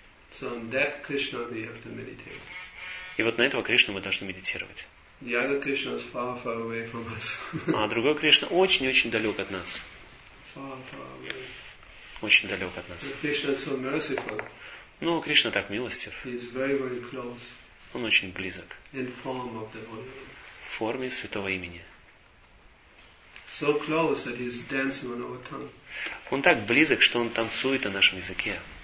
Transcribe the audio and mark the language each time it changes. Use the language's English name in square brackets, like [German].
[English] So on that Krishna we have to meditate. [Russian] И вот на этого Кришну мы должны медитировать. [English] The other Krishna is far, far away from us. [Russian] А другой Кришна очень-очень далек от нас. [English] Far, far away. [Russian] Очень далек от нас. [English] But Krishna is so merciful. [Russian] Но Кришна так милостив. [English] He is very, very close. [Russian] Он очень близок. [English] In form of the Holy. [Russian] В форме Святого Имени. [English] So close that he's dancing on our tongue. [Russian] Он так близок, что он танцует на нашем языке.